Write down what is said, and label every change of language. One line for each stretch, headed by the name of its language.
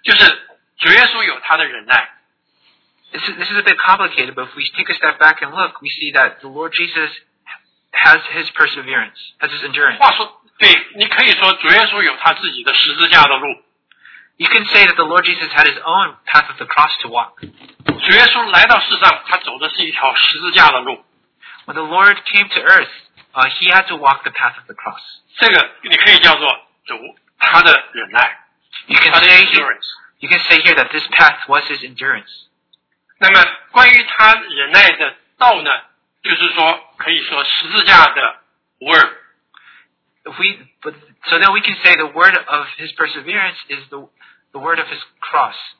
Chinese: 那这句话是有一点那个稍微复杂，可是你跳出来看的话，是一个有一，你可以这样看，就是主耶稣有他的忍耐。
English: This is a bit complicated, but if we take a step back and look, we see that the Lord Jesus has His perseverance, has His endurance.
Chinese: 话说，对，你可以说主耶稣有他自己的十字架的路。
English: You can say that the Lord Jesus had His own path of the cross to walk.
Chinese: 主耶稣来到世上，他走的是一条十字架的路。
English: When the Lord came to earth, He had to walk the path of the cross.
Chinese: 这个你可以叫做主他的忍耐，他的endurance。
English: You can say here that this path was His endurance.
Chinese: 那么关于他忍耐的道呢，就是说，可以说十字架的 word.
English: So then we can say the word of his perseverance is the word of his cross.